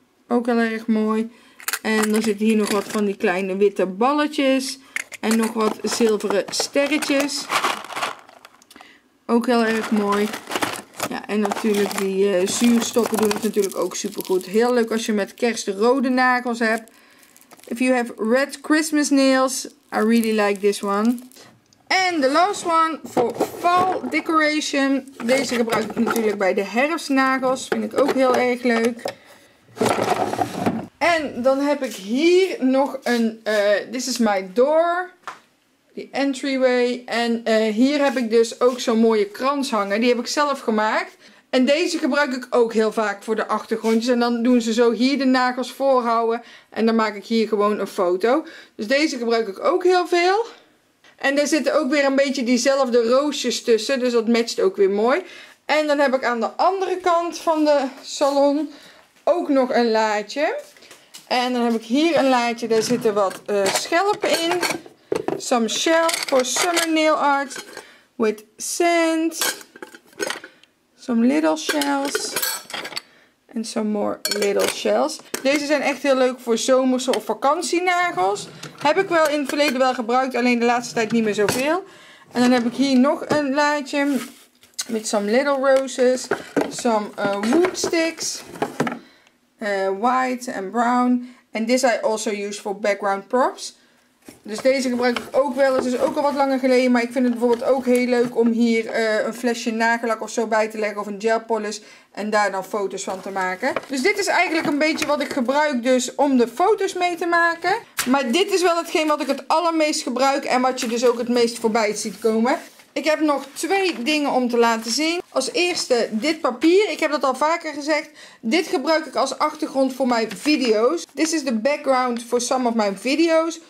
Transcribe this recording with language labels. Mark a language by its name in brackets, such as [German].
[Dutch] Ook heel erg mooi. En dan zitten hier nog wat van die kleine witte balletjes. En nog wat zilveren sterretjes. Ook heel erg mooi. Ja, en natuurlijk die zuurstokken doen het natuurlijk ook super goed. Heel leuk als je met kerst rode nagels hebt. [English] If you have red Christmas nails, I really like this one. [Dutch] En de [English] last one voor fall decoration. [Dutch] Deze gebruik ik natuurlijk bij de herfstnagels. Vind ik ook heel erg leuk. En dan heb ik hier nog een, [English] this is my door, the entryway. [Dutch] En hier heb ik dus ook zo'n mooie krans hangen, die heb ik zelf gemaakt. En deze gebruik ik ook heel vaak voor de achtergrondjes. En dan doen ze zo hier de nagels voorhouden en dan maak ik hier gewoon een foto. Dus deze gebruik ik ook heel veel. En er zitten ook weer een beetje diezelfde roosjes tussen, dus dat matcht ook weer mooi. En dan heb ik aan de andere kant van de salon ook nog een laadje. En dan heb ik hier een laadje, daar zitten wat schelpen in. [English] Some shell for summer nail art with sand. Some little shells. And some more little shells. [Dutch] Deze zijn echt heel leuk voor zomerse of vakantienagels. Heb ik wel in het verleden wel gebruikt, alleen de laatste tijd niet meer zoveel. En dan heb ik hier nog een laadje met [English] some little roses. Some wood sticks. White and brown. And this I also use for background props. [Dutch] Dus deze gebruik ik ook wel. Het is ook al wat langer geleden. Maar ik vind het bijvoorbeeld ook heel leuk om hier een flesje nagellak of zo bij te leggen. Of een gel polish. En daar dan foto's van te maken. Dus dit is eigenlijk een beetje wat ik gebruik dus om de foto's mee te maken. Maar dit is wel hetgeen wat ik het allermeest gebruik. En wat je dus ook het meest voorbij ziet komen. Ik heb nog twee dingen om te laten zien. Als eerste dit papier. Ik heb dat al vaker gezegd. Dit gebruik ik als achtergrond voor mijn video's. [English] This is the background for some of my videos.